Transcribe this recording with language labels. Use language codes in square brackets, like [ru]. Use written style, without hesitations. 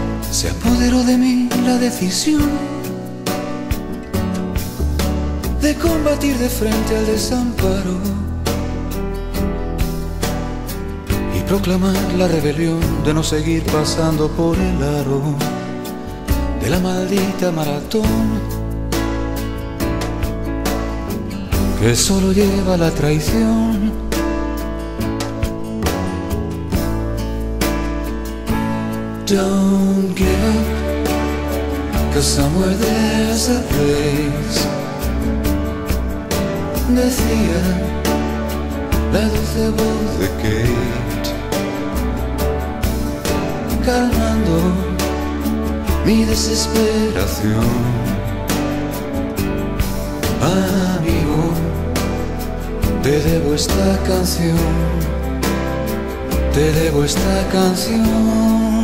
[es] Se apoderó de mí la decisión de combatir de frente al desamparo y proclamar la rebelión de no seguir pasando por el aro de la maldita maratón que solo lleva la traición. [en] Don't give up, 'cause somewhere there's a place. [es] Decía la dulce voz de Kate, calmando mi desesperación. Amigo, te debo esta canción, te debo esta canción.